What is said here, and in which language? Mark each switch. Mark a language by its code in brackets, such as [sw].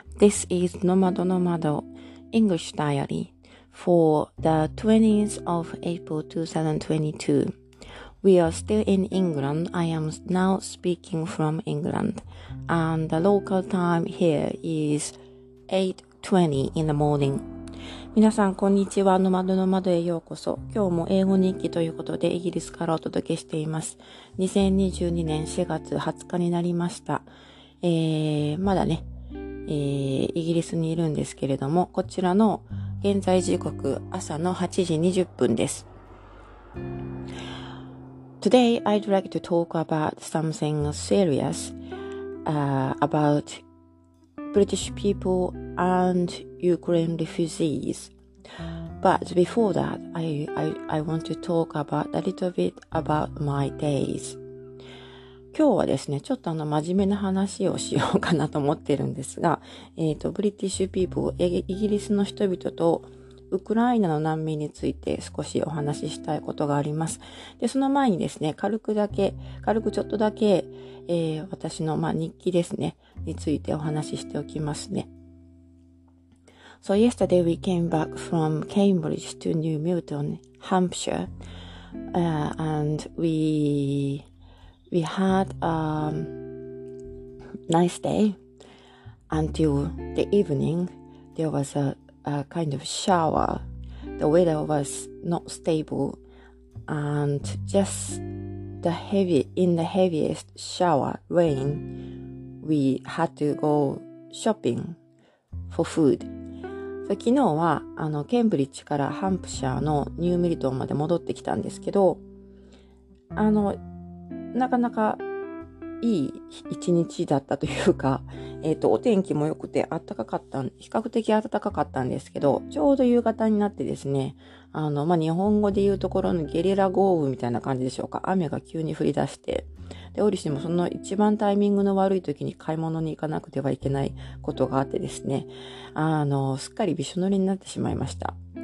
[en] This is Nomado Nomado English Diary for the 20th of April 2022. We are still in England. I am now speaking from England. And the local time here is 8:20 in the morning. [ja] 皆さんこんにちは。ノマドノマドへようこそ。今日も英語日記ということでイギリスからお届けしています。 2022年4月20日になりました。まだね、イギリスにいるんですけれども、こちらの現在時刻朝の8時20分です。 [en] Today I'd like to talk about something serious、aboutBritish people and Ukraine refugees. But before that, I want to talk about a little bit about my days. [ja] 今日はですね、ちょっと真面目な話をしようかなと思ってるんですが、 [en] British people、 [ja] イギリスの人々とウクライナの難民について少しお話ししたいことがあります。で、その前にですね、軽くちょっとだけ、私の、日記ですね、についてお話ししておきますね。 [en] So yesterday we came back from Cambridge to New Milton, Hampshire, and we had a nice day until the evening. There was a kind of shower. The weather was not stable, and just the heaviest shower rain, we had to go shopping for food. [ja] So, 昨日はケンブリッジからハンプシャーのニューミルトンまで戻ってきたんですけど、なかなかいい一日だったというか、お天気も良くて暖かかった、比較的暖かかったんですけど、ちょうど夕方になってですね、日本語で言うところのゲリラ豪雨みたいな感じでしょうか、雨が急に降り出して、で、折しもその一番タイミングの悪い時に買い物に行かなくてはいけないことがあってですね、すっかりびしょ濡れになってしまいました。